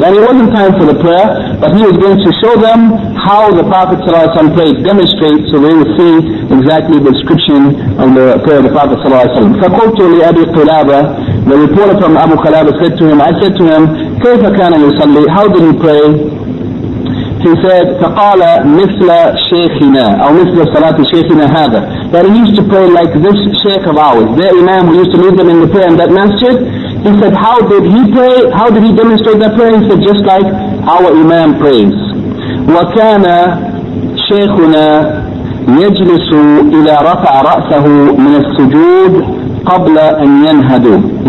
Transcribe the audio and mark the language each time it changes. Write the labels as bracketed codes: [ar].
[en] And it wasn't time for the prayer, but he was going to show them how the Prophet sallallahu alayhi wa sallam prayed, demonstrate so they would see exactly the description of the prayer of the Prophet sallallahu alayhi wa sallam. [ar] فَقُلْتُ لِأَبِي قُلَابَ. [en] The reporter from Abu Qilaba said to him, I said to him, [ar] كَيْفَ كَانَ يُصَلِّي. [en] How did he pray? He said, [ar] فَقَالَ مِثْلَ شَيْخِنَا أَوْ مِثْلَ صَلَاةِ شَيْخِنَا هَذَا. [en] That he used to pray like this sheikh of ours, their imam who used to lead them in the prayer in that masjid. He said, how did he pray? How did he demonstrate that prayer? He said, just like our imam prays. [ar] وَكَانَ شَيْخُنَا يَجْلِسُ إِلَىٰ رَفَعَ رَأْسَهُ مِنَ السُّجُودِ قَبْلَ أَنْ يَنْهَدُ.